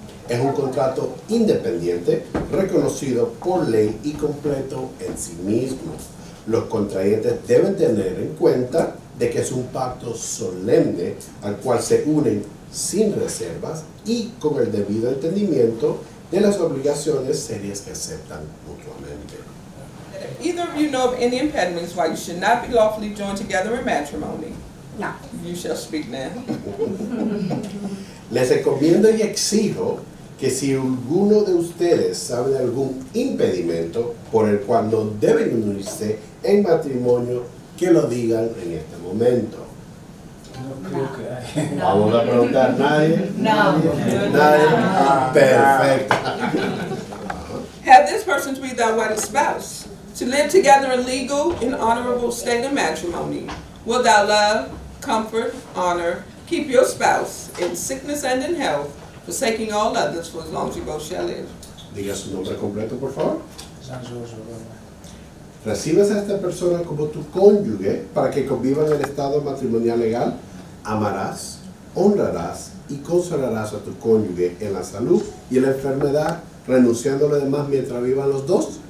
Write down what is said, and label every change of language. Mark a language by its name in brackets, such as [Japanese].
[Spanish] Es un contrato independiente, reconocido por ley y completo en sí mismo. Los contrayentes deben tener en cuenta de que es un pacto solemne al cual se unen sin reservas y con el debido entendimiento de las obligaciones serias que aceptan mutuamente. [English] Either of you know of any impediments why you should not be lawfully joined together in matrimony? No. You shall speak now. [Spanish] Les recomiendo y exijo que si alguno de ustedes sabe de algún impedimento por el cual no deben unirse en matrimonio, que lo digan en este momento. No. ¿Vamos a preguntar nadie? No. ¿Nadie? No. Perfecto. [English] Have this person to be thy wedded spouse, to live together in legal and honorable state of matrimony, Will thou love, comfort, honor, keep your spouse in sickness and in health, forsaking all others for as long as you both shall live? [Spanish] Diga su nombre completo, por favor. San José. Recibes a esta persona como tu cónyuge para que conviva en el estado matrimonial legal. Amarás, honrarás y consolarás a tu cónyuge en la salud y en la enfermedad, renunciando a lo demás mientras vivan los dos.